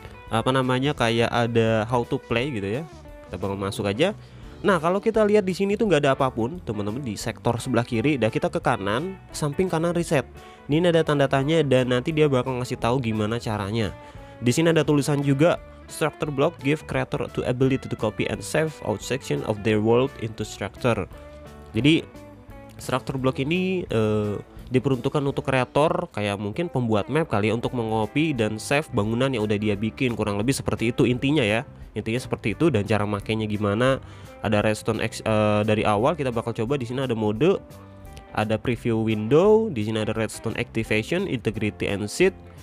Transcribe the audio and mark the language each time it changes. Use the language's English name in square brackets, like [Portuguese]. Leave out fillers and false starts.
[Indonesian] Apa namanya kayak ada [English] how to play [Indonesian] gitu ya. Kita bakal masuk aja. Nah kalau kita lihat di sini tuh nggak ada apapun teman-teman di sektor sebelah kiri. Dan kita ke kanan, samping kanan reset. Ini ada tanda tanya dan nanti dia bakal ngasih tahu gimana caranya. Di sini ada tulisan juga. [English] Structure block give creator to ability to copy and save out section of their world into structure. [Indonesian] Jadi structure block ini diperuntukkan untuk creator kayak mungkin pembuat map kali ya, untuk mengcopy dan save bangunan yang udah dia bikin, kurang lebih seperti itu intinya ya. Intinya seperti itu dan cara makainya gimana. Ada redstone dari awal kita bakal coba. Di sini ada mode, ada preview window, di sini ada redstone activation, integrity and seed.